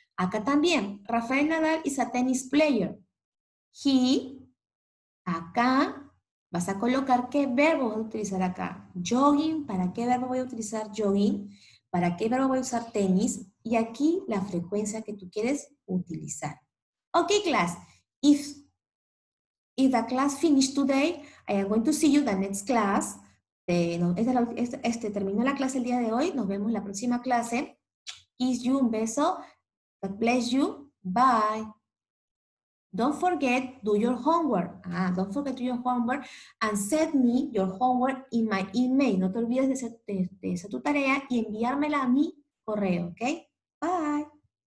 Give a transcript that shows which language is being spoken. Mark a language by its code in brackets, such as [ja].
[es] Acá también, Rafael Nadal [en] is a tennis player. [es] He, acá, vas a colocar qué verbo vas a utilizar acá. Jogging, ¿para qué verbo voy a utilizar jogging? ¿Para qué verbo voy a usar tenis? Y aquí, la frecuencia que tú quieres utilizar. [en] Ok, class. If the class finished today, I am going to see you the next class. [es] Terminó la clase el día de hoy. Nos vemos en la próxima clase. [en] Kiss you, [es] un beso. [en] God bless you. Bye. Don't forget, do your homework. Don't forget to do your homework and send me your homework in my email. [es] No te olvides de hacer tu tarea y enviármela a mi correo, ¿ok? Bye.